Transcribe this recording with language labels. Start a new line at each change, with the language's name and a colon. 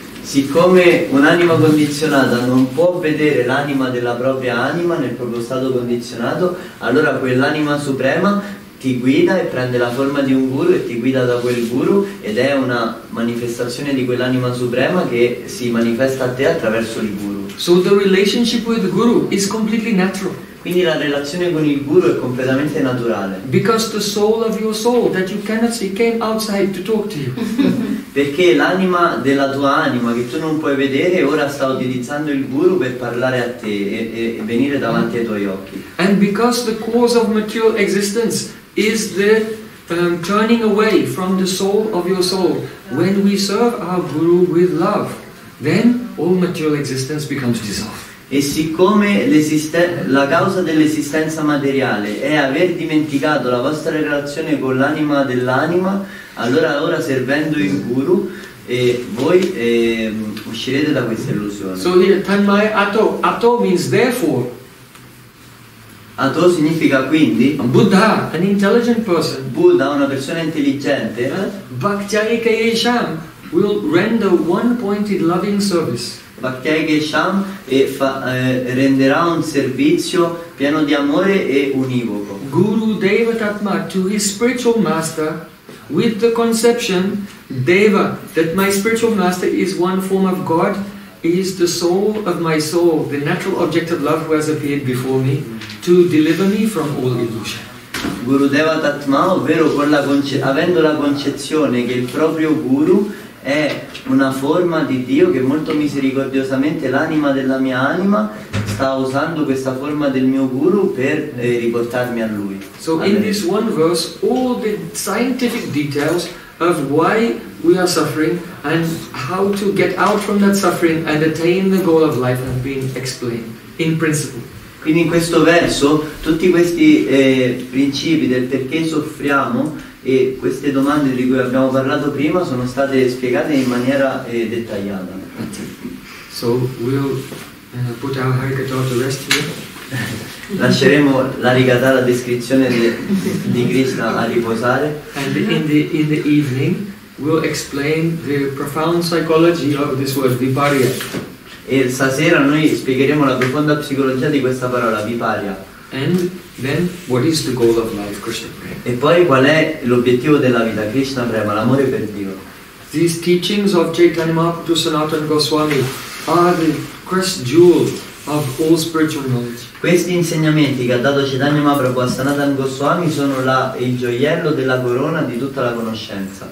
Italian: Siccome un'anima condizionata non può vedere l'anima della propria anima nel proprio stato condizionato, allora quell'anima suprema ti guida e prende la forma di un guru e ti guida da quel guru, ed è una manifestazione di quell'anima suprema che si manifesta a te attraverso il guru.
English: So the relationship with the guru is completely natural.
Italian: Quindi la relazione con il guru è completamente naturale.
English: Because the soul of your soul that you cannot see came outside to talk to you.
Italian: Perché l'anima della tua anima che tu non puoi vedere ora sta utilizzando il guru per parlare a te e venire davanti ai tuoi occhi.
English: And because the cause of material existence is the turning away from the soul of your soul, when we serve our guru with love, then all material existence becomes dissolved.
Italian: E siccome la causa dell'esistenza materiale è aver dimenticato la vostra relazione con l'anima dell'anima, allora ora servendo il guru voi uscirete da questa illusione.
English: So here, tanmai ato, ato means therefore.
Italian: Ato significa quindi.
English: Buddha, an intelligent person.
Italian: Buddha, una persona intelligente.
English: Bhakti Kayesham will render one-pointed loving service.
Italian: Renderà un servizio pieno di amore e univoco.
English: Guru Deva Tatma to his spiritual master with the conception Deva, that my spiritual master is one form of God, is the soul of my soul, the natural object of love who has appeared before me to deliver me from all illusion.
Italian: Guru Deva Tatma, ovvero con la avendo la concezione che il proprio guru è una forma di Dio che molto misericordiosamente l'anima della mia anima sta usando questa forma del mio guru per riportarmi a lui.
English: So in this one verse all the scientific details of why we are suffering and how to get out from that suffering and attain the goal of life have been explained in principle.
Italian: Quindi in questo verso tutti questi principi del perché soffriamo e queste domande di cui abbiamo parlato prima sono state spiegate in maniera dettagliata.
English: So we'll put our harikata to rest here.
Italian: Lasceremo la rigata, la descrizione di Krishna a riposare.
English: And in the evening we'll explain the profound psychology of this word, viparya.
Italian: E stasera noi spiegheremo la profonda psicologia di questa parola, viparya.
English: And then what is the goal of life, Krishna Prema?
Italian: E poi qual è l'obiettivo della vita, Krishna Prema, l'amore per Dio.
English: These teachings of Chaitanya Mahaprabhu Sanatana Goswami are the crest jewel of all spiritual knowledge.
Italian: Questi insegnamenti che ha dato Chaitanya Mahaprabhu a Sanatana Goswami sono il gioiello della corona di tutta la conoscenza.